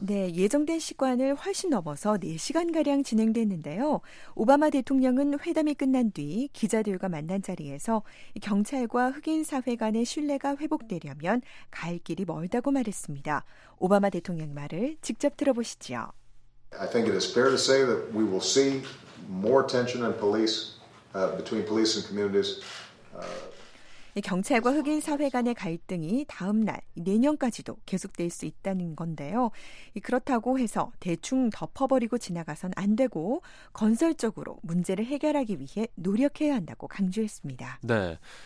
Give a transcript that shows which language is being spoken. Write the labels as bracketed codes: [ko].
[ko] 네, 예정된 시간을 훨씬 넘어서 4시간가량 진행됐는데요. 오바마 대통령은 회담이 끝난 뒤 기자들과 만난 자리에서 경찰과 흑인 사회 간의 신뢰가 회복되려면 갈 길이 멀다고 말했습니다. 오바마 대통령 말을 직접 들어보시죠. [en] I think it is fair to say that we will see more tension in police between police and communities. [ko] 경찰과 흑인 사회 간의 갈등이 다음 날 내년까지도 계속될 수 있다는 건데요. 그렇다고 해서 대충 덮어버리고 지나가선 안 되고 건설적으로 문제를 해결하기 위해 노력해야 한다고 강조했습니다. 네.